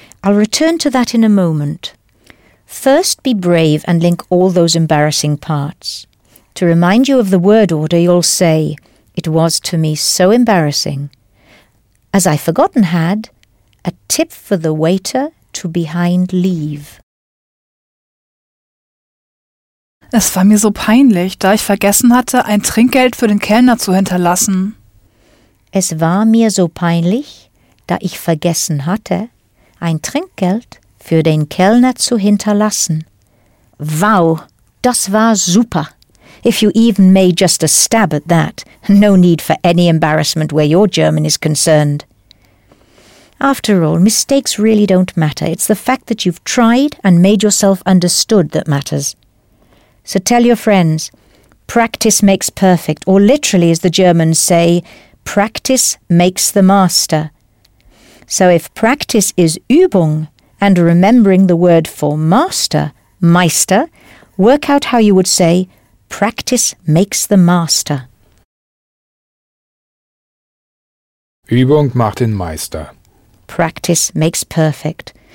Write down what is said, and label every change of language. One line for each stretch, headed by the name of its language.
English: I'll return to that in a moment. First, be brave and link all those embarrassing parts. To remind you of the word order, you'll say, it was to me so embarrassing. As I forgotten had, a tip for the waiter to behind leave.
German: Es war mir so peinlich, da ich vergessen hatte, ein Trinkgeld für den Kellner zu hinterlassen. Es war mir so peinlich, da ich vergessen hatte, ein Trinkgeld für den Kellner zu hinterlassen. Wow, das war super.
English: If you even made just a stab at that, no need for any embarrassment where your German is concerned. After all, mistakes really don't matter. It's the fact that you've tried and made yourself understood that matters. So tell your friends, practice makes perfect, or literally, as the Germans say, practice makes the master. So if practice is Übung, and remembering the word for master, Meister, work out how you would say, practice makes the master.
German: Übung macht den Meister.
English: Practice makes perfect.